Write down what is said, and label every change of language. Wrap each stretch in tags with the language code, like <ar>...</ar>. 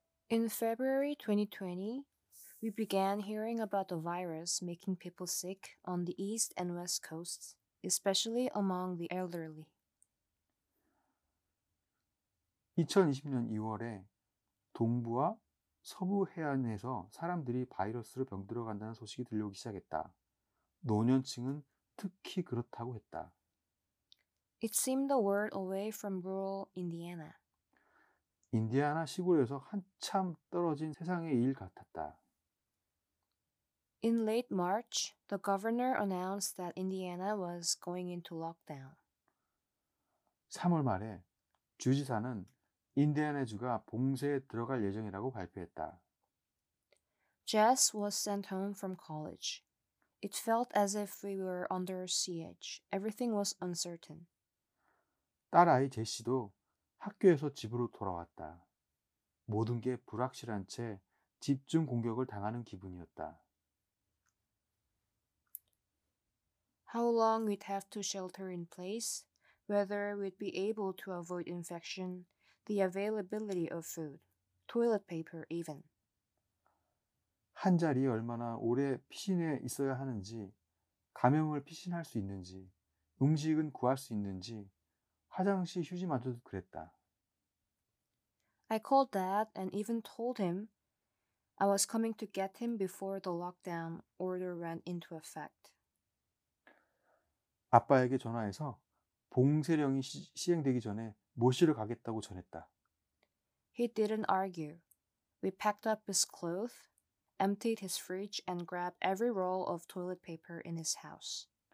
<en>2020, we began hearing about the virus making people sick on the east and west coasts, especially among the elderly.</en> <ko>2020년 2월에 동부와 서부 해안에서 사람들이 바이러스로 병들어 간다는 소식이 들려오기 시작했다. 노년층은 특히 그렇다고 했다.</ko> <en>It seemed the world away from rural Indiana.</en> <ko>인디애나 시골에서 한참 떨어진 세상의 일 같았다.</ko> <en>In late March, the governor announced that Indiana was going into lockdown.</en> <ko>3월 말에 주지사는 인디애나주가 봉쇄에 들어갈 예정이라고 발표했다.</ko> <en>Jess was sent home from college. It felt as if we were under siege. Everything was uncertain.</en> <ko>딸 아이 제시도 학교에서 집으로 돌아왔다. 모든 게 불확실한 채 집중 공격을 당하는 기분이었다.</ko> <en>How long we'd have to shelter in place, whether we'd be able to avoid infection, the availability of food, toilet paper even.</en> <ko>한 자리에 얼마나 오래 피신해 있어야 하는지, 감염을 피신할 수 있는지, 음식은 구할 수 있는지, 화장실 휴지마저도 그랬다.</ko> <en>I called Dad and even told him I was coming to get him before the lockdown order went into effect.</en> <ko>아빠에게 전화해서 봉쇄령이 시행되기 전에 모시러 가겠다고 전했다.</ko> <en>He didn't argue. We packed up his clothes, emptied his fridge, and grabbed every roll of toilet paper in his house.</en>